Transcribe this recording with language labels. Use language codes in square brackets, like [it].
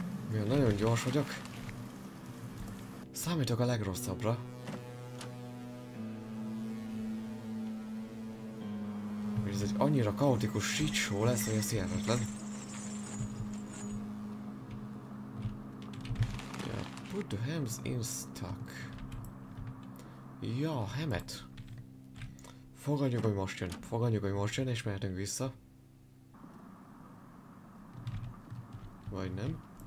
[hu] Milyen nagyon gyors vagyok. Számítok a legrosszabbra. Ez egy annyira kaotikus shit show lesz, hogy ez hihetetlen. [en] Yeah, put the hems in stock. [hu] Ja, hemet. Fogadjuk, hogy most jön. Fogadjuk, hogy most jön, és mehetünk vissza. Vagy nem.